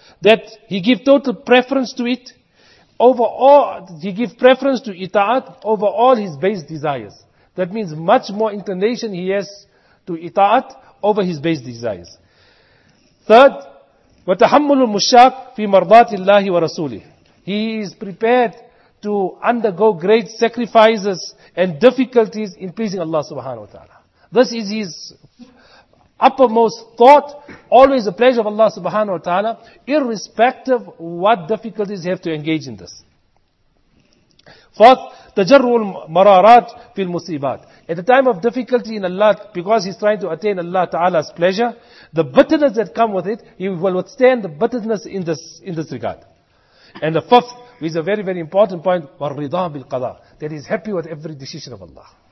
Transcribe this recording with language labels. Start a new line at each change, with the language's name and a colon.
English: That he give total preference to it, over all, he give preference to itaat over all his base desires. That means much more inclination he has to itaat over his base desires.
Arabic: Third, وَتَحَمُّلُ الْمُشَّاقِ فِي مَرْضَاتِ اللَّهِ وَرَسُولِهِ.
English: He is prepared to undergo great sacrifices and difficulties in pleasing Allah subhanahu wa ta'ala. This is his uppermost thought, always the pleasure of Allah subhanahu wa ta'ala, irrespective what difficulties you have to engage in this.
Arabic: Fourth, تَجَرُّ الْمَرَارَاتِ فِي الْمُصِيبَاتِ.
English: At the time of difficulty in Allah, because he's trying to attain Allah Ta'ala's pleasure, the bitterness that come with it, he will withstand the bitterness in this regard.
Arabic: And the fifth, which is a very, very important point, وَالْرِضَى بِالْقَضَى.
English: That he's happy with every decision of Allah.